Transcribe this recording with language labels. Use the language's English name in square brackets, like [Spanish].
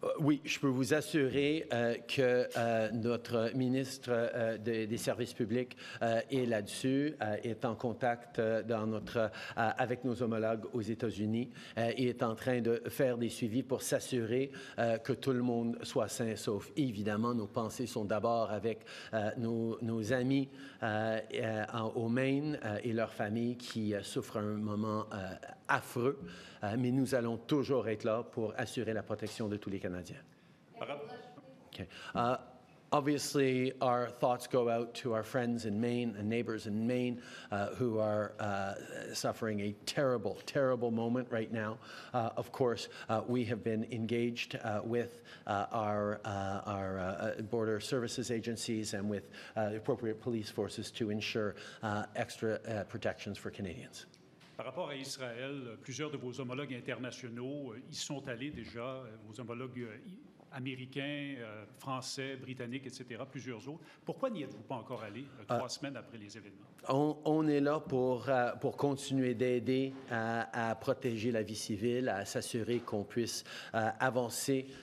[French] Oui, je peux vous assurer que notre ministre des Services publics est là-dessus, est en contact avec nos homologues aux États-Unis et est en train de faire des suivis pour s'assurer que tout le monde soit sain et sauf. Évidemment, nos pensées sont d'abord avec nos amis au Maine et leurs familles qui souffrent un moment affreux, mais nous allons toujours être là pour assurer la protection de tous les Canadiens. [English] Okay. Obviously, our thoughts go out to our friends in Maine and neighbors in Maine who are suffering a terrible, terrible moment right now. Of course, we have been engaged with our border services agencies and with appropriate police forces to ensure extra protections for Canadians. [French] Par rapport à Israël, plusieurs de vos homologues internationaux y sont allés déjà, vos homologues américains, français, britanniques, etc., plusieurs autres. Pourquoi n'y êtes-vous pas encore allé trois semaines après les événements? On est là pour continuer d'aider à protéger la vie civile, à s'assurer qu'on puisse avancer